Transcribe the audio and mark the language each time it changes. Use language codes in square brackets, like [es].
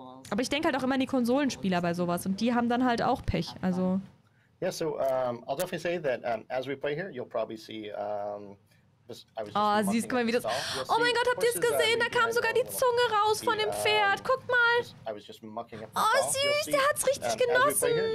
[de] Aber ich denke halt auch immer an die Konsolenspieler bei sowas und die haben dann halt auch Pech, also. [en] Ja, so, I'll definitely say that as we play here, you'll probably see, [de] oh, siehst du mal, wie das. Oh mein Gott, habt ihr es gesehen? Da kam sogar die Zunge raus von dem Pferd. Guck mal. Oh, süß, der hat es richtig genossen.